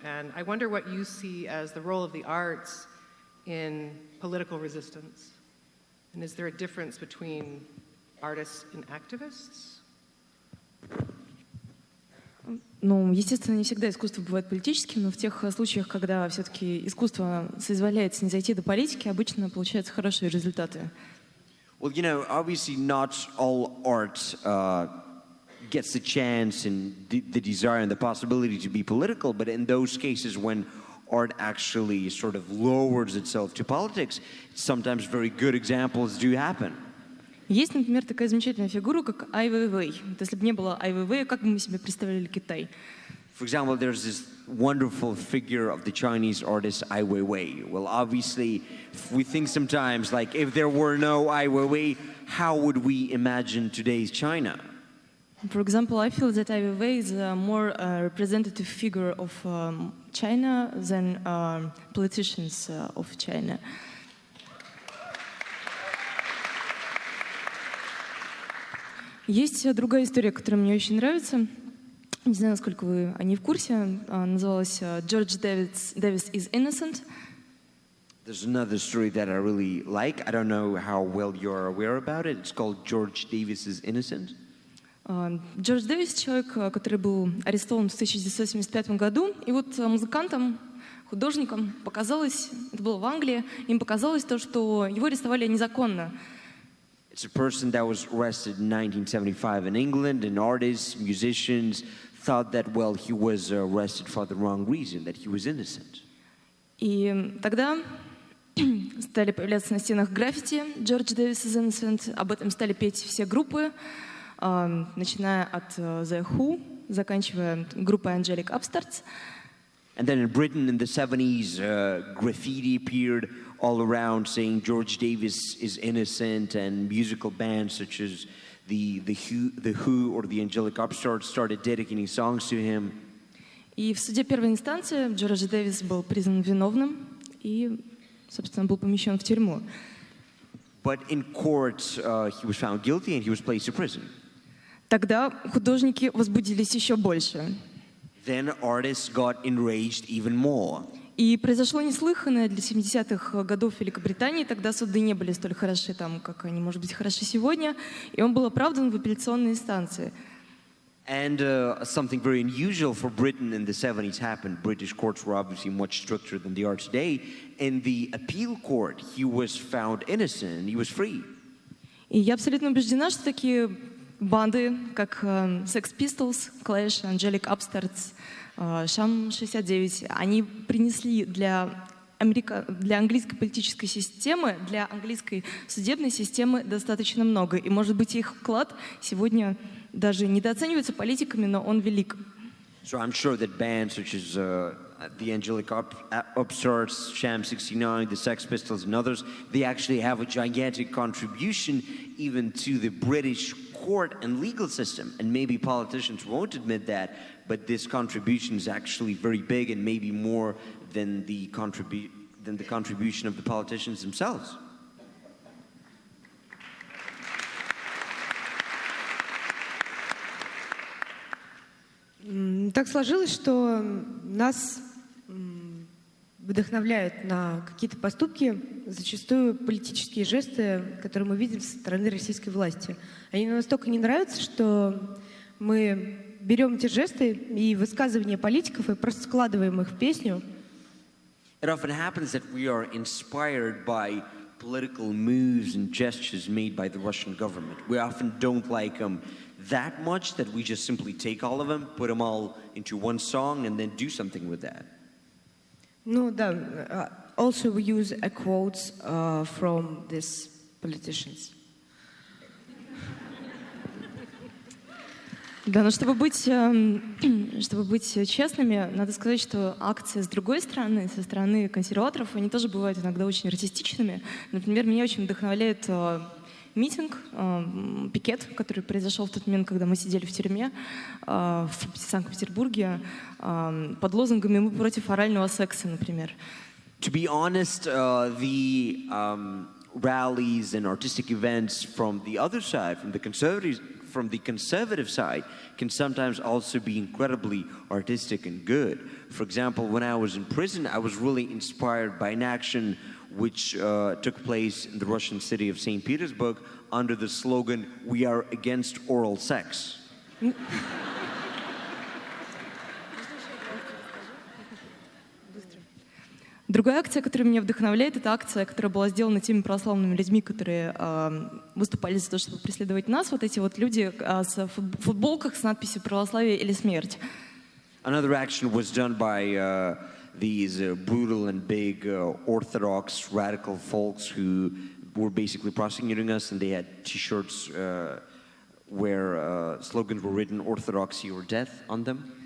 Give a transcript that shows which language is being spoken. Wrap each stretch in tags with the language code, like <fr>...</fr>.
<en>And I wonder what you see as the role of the arts in political resistance. And is there a difference between artists and activists?</en> <ru>Ну, естественно, не всегда искусство бывает политическим, но в тех случаях, когда все-таки искусство соизволяет не зайти до политики, обычно получаются хорошие результаты.</ru> <en>Well, you know, obviously not all art gets the chance and the desire and the possibility to be political, but in those cases when art actually sort of lowers itself to politics, sometimes very good examples do happen.</en> <ru>Есть, например, такая замечательная фигура, как Ай Вейвей. Вот если бы не было Ай Вейвея, как бы мы себе представляли Китай?</ru> <en>For example, there's this wonderful figure of the Chinese artist Ai Weiwei. Well, obviously, we think sometimes, like, if there were no Ai Weiwei, how would we imagine today's China? For example, I feel that Ai Weiwei is a more representative figure of China than politicians of China.</en> <ru>Есть другая история, которая мне очень нравится. Не знаю, насколько вы о ней в курсе. Называлась George Davis is Innocent.</ru> <en>There's another story that I really like. I don't know how well you're aware about it. It's called George Davis is Innocent.</en> <ru>George Davis — человек, который был арестован в 1975 году. И вот музыкантам, художникам показалось, это было в Англии, им показалось то, что его арестовали незаконно.</ru> <en>It's a person that was arrested in 1975 in England, and artists, musicians thought that, well, he was arrested for the wrong reason, that he was innocent.</en> <ru>И тогда стали появляться на стенах граффити «George Davis is innocent», об этом стали петь все группы, начиная от The Who, заканчивая группой Angelic Upstarts.</ru> <en>And then in Britain in the 70s, graffiti appeared all around saying George Davis is innocent, and musical bands such as the Who or the Angelic Upstarts started dedicating songs to him.</en> <ru>И в суде первой инстанции Джордж Дэвис был признан виновным и, собственно, был помещен в тюрьму.</ru> <en>But in court, he was found guilty and he was placed in prison.</en> <ru>Тогда художники возбудились еще больше.</ru> <en>Then artists got enraged even more.</en> <ru>И произошло неслыханное для 70-х годов Великобритании. Тогда суды не были столь хороши там, как они, может быть, хороши сегодня. И он был оправдан в апелляционной инстанции.</ru> <en>And something very unusual for Britain in the 70s happened. British courts were obviously much stricter than they are today. In the appeal court, he was found innocent and he was free.</en> <ru>И я абсолютно убеждена, что такие банды, как Sex Pistols, Clash, Angelic Upstarts, Sham 69, они принесли для для английской политической системы, для английской судебной системы достаточно много. И, может быть, их вклад сегодня даже недооценивается политиками, но он велик.</ru> <en>So I'm sure that bands such as the Angelic Upstarts, Sham 69, the Sex Pistols and others, they actually have a gigantic contribution even to the British court and legal system. And maybe politicians won't admit that, but this contribution is actually very big and maybe more than the contribution of the politicians themselves.</en> <ru>Так сложилось, что нас вдохновляют на какие-то поступки, зачастую политические жесты, которые мы видим со стороны российской власти. Они нам настолько не нравятся, что мы берем эти жесты и высказывания политиков и просто складываем их в песню.</ru> <en>It often happens that we are inspired by political moves and gestures made by the Russian government. We often don't like them that much that we just simply take all of them, put them all into one song, and then do something with that. No, then, also we use a quote from these politicians.</en> <ru>Да, но чтобы быть честными, надо сказать, что акции с другой стороны, со стороны консерваторов, они тоже бывают иногда очень расистичными. Например, меня очень вдохновляет митинг, пикет, который произошел в тот момент, когда мы сидели в тюрьме в Санкт-Петербурге под лозунгами «Мы против орального секса», например.</ru> <en>To be honest, rallies and artistic events from the other side, from the conservative side, can sometimes also be incredibly artistic and good. For example, when I was in prison, I was really inspired by an action which took place in the Russian city of St. Petersburg under the slogan, "We are against oral sex."</en> <ru>Другая акция, которая меня вдохновляет, это акция, которая была сделана теми православными людьми, которые выступали за то, чтобы преследовать нас, вот эти вот люди с футболках с надписью «Православие или смерть».</ru> <en>Another action was done by these brutal and big orthodox radical folks who were basically prosecuting us, and they had t-shirts where slogans were written «Orthodoxy or death» on them.</en>